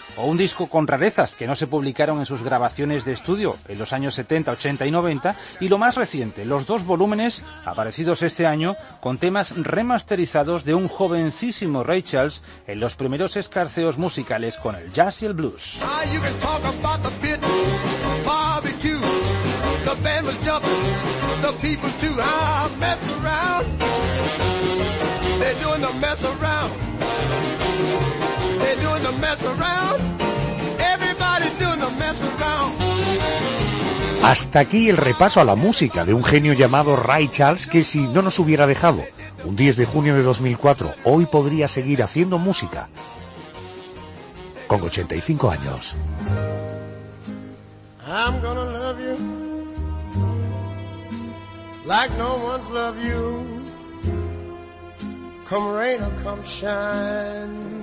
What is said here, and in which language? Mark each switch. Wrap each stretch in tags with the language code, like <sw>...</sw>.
<es>o un disco con rarezas que no se publicaron en sus grabaciones de estudio en los años 70, 80 y 90, y lo más reciente, los dos volúmenes aparecidos este año con temas remasterizados de un jovencísimo Ray Charles en los primeros escarceos musicales con el jazz y el blues.</es> <en>You can talk about the pit, barbecue, the band was jumping, the people too. Mess around, they're doing the mess around, they're doing the mess around, everybody doing the mess around.</en> <es>Hasta aquí el repaso a la música de un genio llamado Ray Charles, que si no nos hubiera dejado un 10 de junio de 2004, hoy podría seguir haciendo música. Con 85 años.</es> <en>I'm gonna love you like no one's loved you. Come rain or come shine.</en>